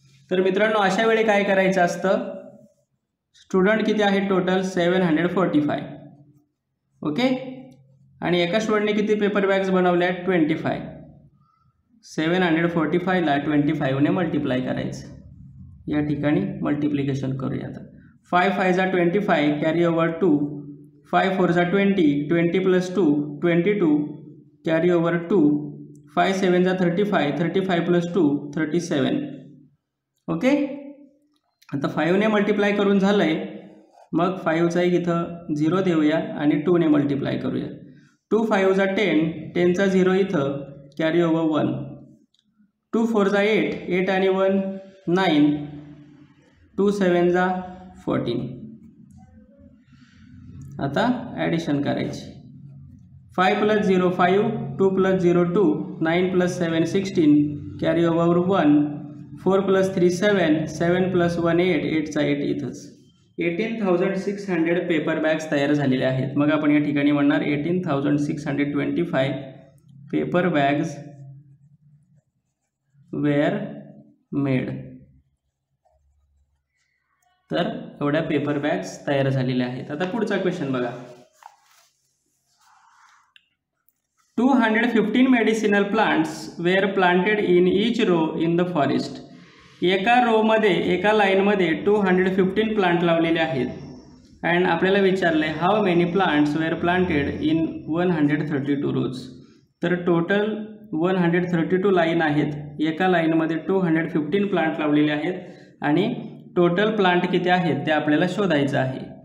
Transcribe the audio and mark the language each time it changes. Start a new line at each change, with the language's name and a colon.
Marathi: तर मित्रांनो, अशा वेळी काय करायचं असतं, स्टुडंट किती आहे टोटल 745. ओके, आणि एका स्टुडंटने किती पेपर बॅग्स बनवल्या 25, 745 25 मल्टीप्लाय करायचं. या ठिकाणी मल्टिप्लिकेशन करूया. आता 5 5 25 carry over 2, 5 4 20, 20 plus 2 22 carry over 2, 5 7 35, 35 plus 2 37. Okay, आता 5 ने मल्टीप्लाई करून झालंय, मग 5 चा एक इथं 0 देऊया आणि 2 ने मल्टीप्लाई करूया. 2 5 चा 10, 10 चा 0 इथं कॅरी ओव्हर 1. 2 4 चा 8, 8 आणि 1 9. 2 7 चा 14. आता ॲडिशन करायची. 5 plus 0 5, 2 plus 0 2, 9 plus 7 16, carry over 1. 4 plus 3 7, 7 plus 1 8, 8 चा 8 इथंच. 18,600 पेपर बॅग्स तयार झालेले आहेत. मग आपण या ठिकाणी म्हणणार
English: 18,625 paper bags were made.
Marathi: तर एवढ्या पेपर बॅग्स तयार झालेल्या आहेत. आता पुढचा क्वेश्चन बघा.
English: 215 medicinal plants were planted in each row in the forest.
Marathi: एका रोमध्ये, एका लाईनमध्ये 215 प्लांट लावलेले आहेत अँड आपल्याला विचारलं आहे
English: How many plants were planted in 132 rows.
Marathi: तर टोटल 132 लाईन आहेत, एका लाईनमध्ये 215 प्लांट लावलेले आहेत आणि टोटल प्लांट किती आहेत ते आपल्याला शोधायचं आहे.